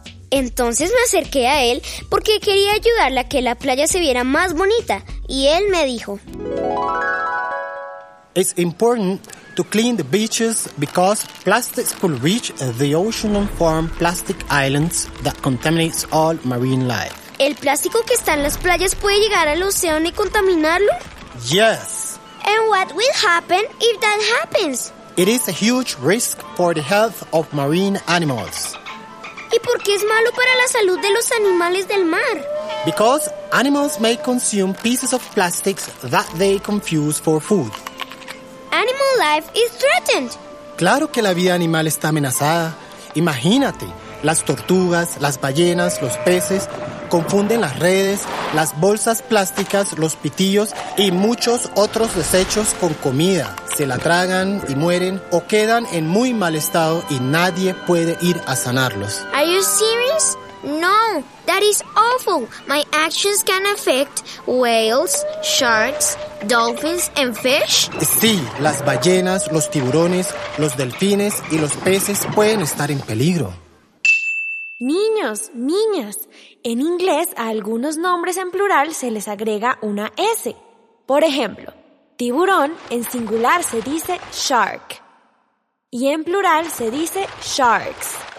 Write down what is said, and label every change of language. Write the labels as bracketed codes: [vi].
[es] Entonces me acerqué a él porque quería ayudarle a que la playa se viera más bonita. Y él me dijo... [en] It's important to clean the beaches because plastics could reach the ocean and form plastic islands that contaminates all marine life. [es] ¿El plástico que está en las playas puede llegar al océano y contaminarlo? [en] Yes. And what will happen if that happens? It is a huge risk for the health of marine animals. [es] ¿Y por qué es malo para la salud de los animales del mar? [en] Because animals may consume pieces of plastics that they confuse for food. Animal life is threatened. [es] Claro que la vida animal está amenazada. Imagínate, las tortugas, las ballenas, los peces confunden las redes, las bolsas plásticas, los pitillos y muchos otros desechos con comida. Se la tragan y mueren o quedan en muy mal estado y nadie puede ir a sanarlos. [en] Are you serious? No, that is awful. My actions can affect whales, sharks, dolphins, and fish? [es] Sí, las ballenas, los tiburones, los delfines y los peces pueden estar en peligro. Niños, niñas, en inglés a algunos nombres en plural se les agrega una S. Por ejemplo, tiburón en singular se dice shark y en plural se dice sharks.